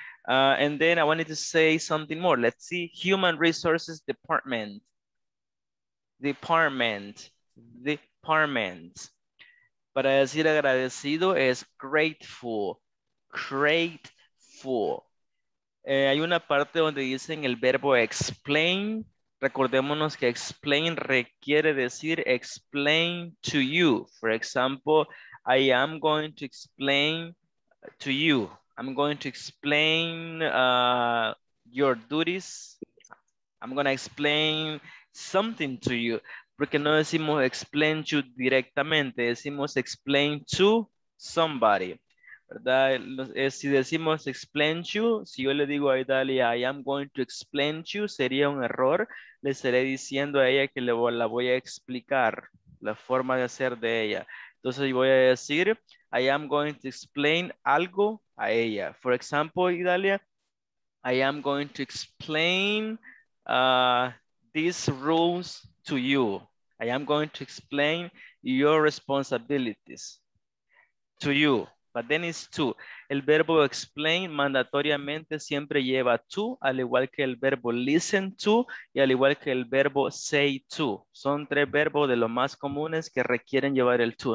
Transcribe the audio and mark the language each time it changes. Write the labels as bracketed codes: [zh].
[en] and then I wanted to say something more, let's see, human resources department, department, department, [es] para decir agradecido es [en] grateful, grateful. [es] Hay una parte donde dicen el verbo explain. Recordémonos que explain requiere decir explain to you. [en] For example, I am going to explain to you. I'm going to explain your duties. I'm going to explain something to you. [es] Porque no decimos explain to directamente, decimos explain to somebody. ¿Verdad? Si decimos explain to you, si yo le digo a Idalia, [en] I am going to explain to you, [es] sería un error. Le estaré diciendo a ella que le voy, la voy a explicar la forma de hacer de ella. Entonces voy a decir, [en] I am going to explain [es] algo a ella. [en] For example, Idalia, I am going to explain these rules to you. I am going to explain your responsibilities to you. But then it's to. [es] El verbo explain mandatoriamente siempre lleva to, al igual que el verbo listen to y al igual que el verbo say to. Son tres verbos de los más comunes que requieren llevar el to.